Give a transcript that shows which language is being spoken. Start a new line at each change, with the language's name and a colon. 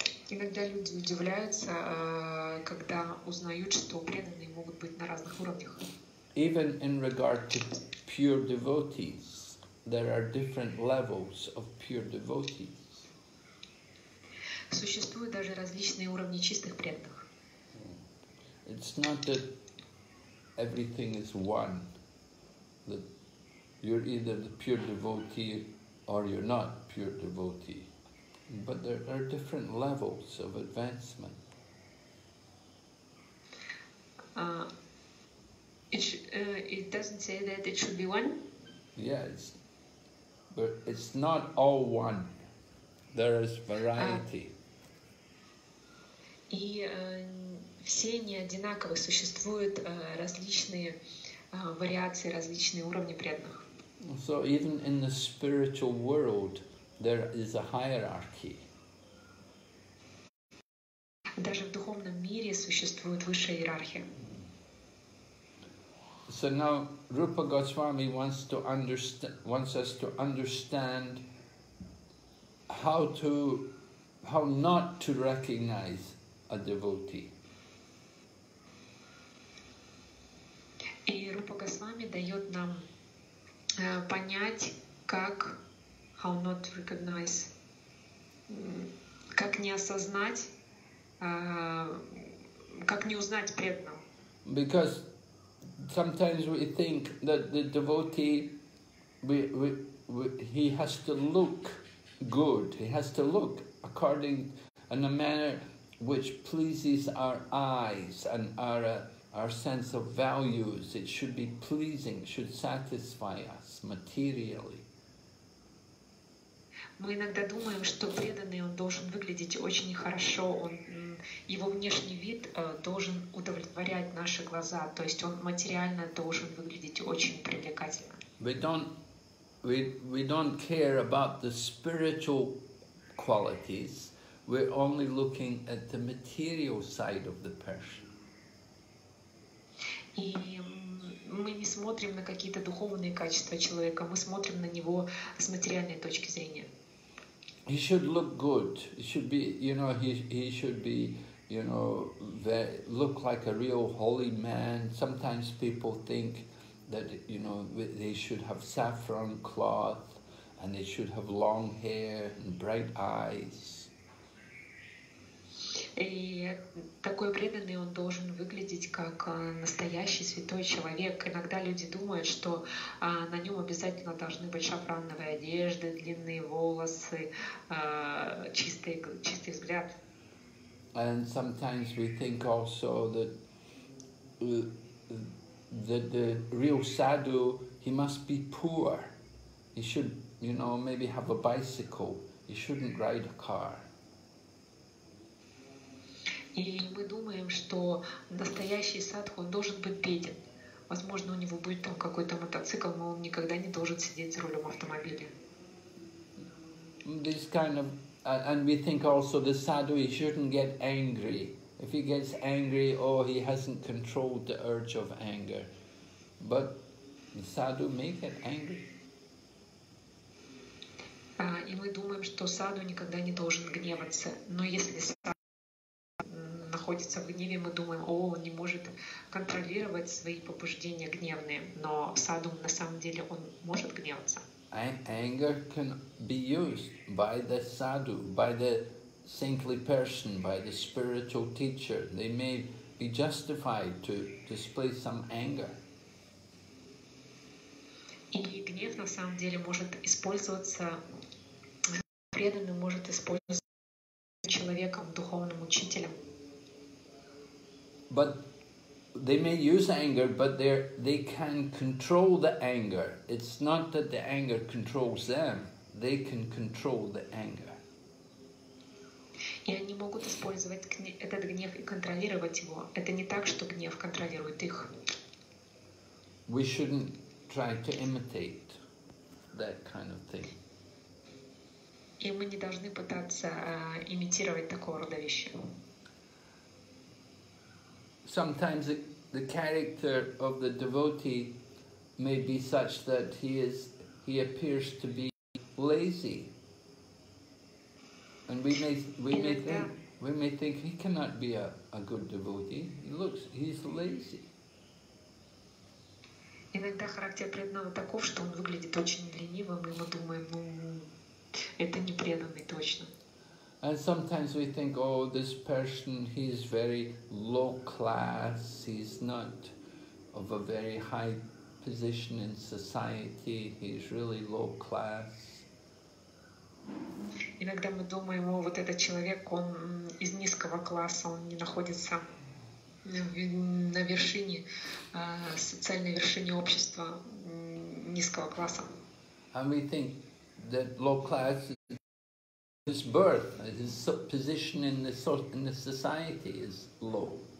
Russian: Иногда люди удивляются, когда узнают, что преданные могут быть на разных уровнях.
English: Even in regard to pure devotees, there are different levels of pure devotees. Существуют даже различные уровни чистых преданных. It's not that everything is one. That you're either the pure devotee or you're not pure devotee. But there are different levels of advancement. It doesn't say that it should be one? Yes, but it's not all one. There is variety.
Russian: И все не одинаковы. Существуют различные вариации, различные уровни преданных.
English: So even in the spiritual world, there is a hierarchy.
Russian: Даже в духовном мире существует высшая иерархия.
English: So now Rupa Goswami wants us to understand how not to recognize a devotee.
Russian: И Рупа Госвами дает нам понять, как
English: how not to recognize,
Russian: как не осознать, как не узнать преданного.
English: Because sometimes we think that the devotee, he has to look good. He has to look according in a manner which pleases our eyes and our sense of values. It should be pleasing, should satisfy us materially.
Russian: Мы иногда думаем, что преданный он должен выглядеть очень хорошо, он, его внешний вид должен удовлетворять наши глаза, то есть он материально должен выглядеть очень привлекательно.
English: We don't care about the spiritual qualities, we're only looking at the material side of the person.
Russian: И мы не смотрим на какие-то духовные качества человека, мы смотрим на него с материальной точки зрения.
English: He should look good. He should be, you know, he should be, you know, look like a real holy man. Sometimes people think that, you know, they should have saffron cloth and they should have long hair and bright eyes.
Russian: И такой преданный, он должен выглядеть как настоящий святой человек. Иногда люди думают, что на нем обязательно должны быть шафрановые одежды, длинные волосы, чистый взгляд.
English: And sometimes we think also that the real sadhu, he must be poor. He should, you know, maybe have a bicycle. He shouldn't ride a car.
Russian: И мы думаем, что настоящий садху должен быть беден. Возможно, у него будет там какой-то мотоцикл, но он никогда не должен сидеть за рулем автомобиля.
English: This kind of, and we think also the sadhu, he shouldn't get angry. If he gets angry, oh, he hasn't controlled the urge of anger. But the sadhu may get angry.
Russian: И мы думаем, что садху никогда не должен гневаться. Но если находится в гневе, мы думаем, о, он не может контролировать свои побуждения гневные, но садху на самом деле он может гневаться.
English: And anger can be used by the sadhu, by the saintly person, by the spiritual teacher. They may be justified to display some anger.
Russian: И гнев на самом деле может использоваться, преданный может использоваться человеком, духовным учителем.
English: But they may use anger, but they can control the anger. It's not that the anger controls them. They can control the anger.
Russian: И они могут использовать этот гнев и контролировать его. Это не так, что гнев контролирует их.
English: We shouldn't try to imitate that kind of thing.
Russian: И мы не должны пытаться имитировать такого рода вещи.
English: Sometimes the character of the devotee may be such that he appears to be lazy. And we may think he cannot be a good devotee. He's lazy.
Russian: Иногда характер преданного таков, что он выглядит очень ленивым, и мы думаем, это не преданный точно.
English: And sometimes we think, oh, this person, he's very low class, he's not of a very high position in society, he's really low class.
Russian: Иногда мы думаем, о, вот этот человек, он из низкого класса, он не находится на вершине, социальной вершине общества низкого класса.
English: And we think that low class is his birth, his position in the society is low.